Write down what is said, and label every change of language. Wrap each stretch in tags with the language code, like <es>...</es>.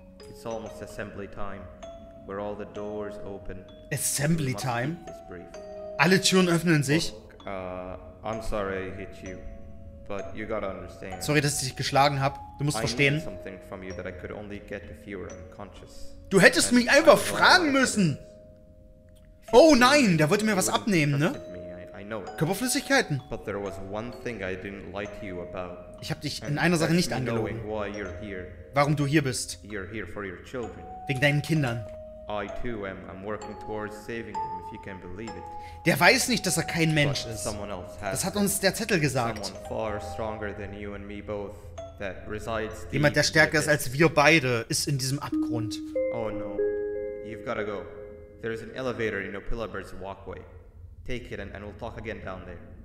<en>It's almost assembly time, where all the doors open. Assembly time?</en> <de>Alle Türen öffnen sich.</de> <en>Look, I'm sorry I hit you, but you gotta understand.</en> <de>Sorry, dass ich dich geschlagen habe. Du musst verstehen.</de> <en>I need something from you that I could only get if you were unconscious.</en> <de>Du hättest mich einfach fragen müssen. Oh nein, der wollte mir was abnehmen, ne? Körperflüssigkeiten.</de> <en>But there was one thing I didn't lie to you about.</en> <de>Ich hab dich in einer Sache nicht angelogen. Warum du hier bist.</de> <en>You're here for your children.</en> <de>Wegen deinen Kindern.</de> <en>I too am. I'm working towards saving them, if you can believe it.</en> <de>Der weiß nicht, dass er kein Mensch</de> <en>But</en> <de>ist.</de> <en>Someone else has</en> <de>das hat uns der Zettel gesagt.</de> <en>Someone far stronger than you and me both, that resides deep.</en> <de>Jemand, der stärker ist als wir beide, ist in diesem Abgrund.</de> <en>Oh no. You've gotta go. There's an elevator in Opilabird's walkway. Take it and we'll talk again down there.</en>